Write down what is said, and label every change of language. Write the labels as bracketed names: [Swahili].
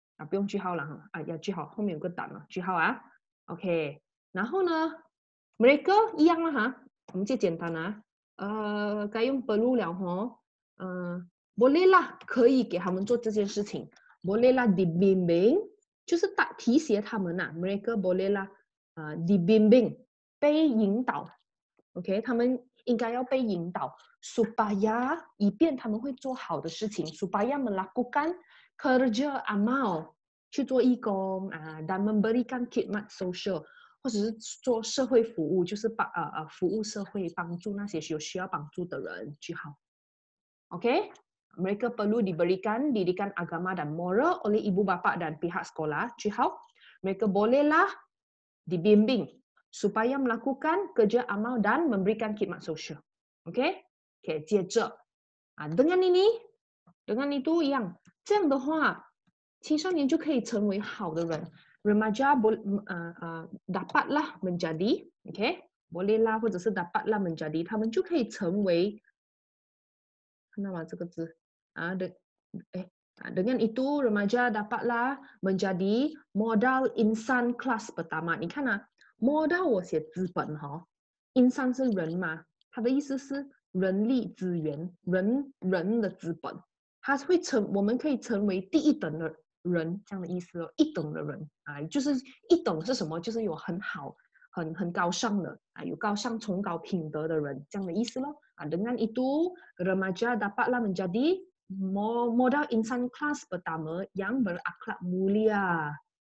[Chinese] 不用句号了哈，要句号，后面有个dan了，句号啊， OK， 然后呢， mereka 一样了哈，我们就简单啊， 该用 perlu 了吼， [Malay] boleh lah， [Chinese] 可以给他们做这件事情。 [Malay] boleh lah dibimbing， [Chinese] 就是提携他们呐。 [Malay] mereka boleh lah dibimbing， [Chinese] 被引导。 OK， 他们应该要被引导， [Malay] supaya， [Chinese] 以便他们会做好的事情。 [Malay] supaya melakukan kerja amal， [Chinese] 去做义工， [Malay] dan memberikan khidmat sosial， [Chinese] 或者是做社会服务， 就是服务社会， 帮助那些有需要帮助的人， 句号。 [Malay] OK。 Mereka perlu diberikan didikan agama dan moral oleh ibu bapa dan pihak sekolah. Cihau, mereka bolehlah dibimbing supaya melakukan kerja amal dan memberikan khidmat sosial. Okay, okay, jeje. Dengan ini, dengan itu yang, [Chinese] 这样的话, 青少年就可以成为好的人. [Malay] Remaja dapatlah menjadi, okay, bolehlah [Chinese] 或者是 [Malay] dapatlah menjadi, [Chinese] 他们就可以成为. 看到吗？这个字. [Malay] Dengan itu remaja dapatlah menjadi modal insan kelas pertama. [Chinese] 你看啊， modal 我写资本哈， insan 是人嘛，他的意思是人力资源，人的资本，他会成我们可以成为第一等的人这样的意思咯，一等的人啊，就是一等是什么？就是有很好、很高尚的啊，有高尚、崇高品德的人这样的意思咯啊。 [Malay] Dengan itu remaja dapatlah menjadi modal insan kelas pertama yang berakhlak mulia,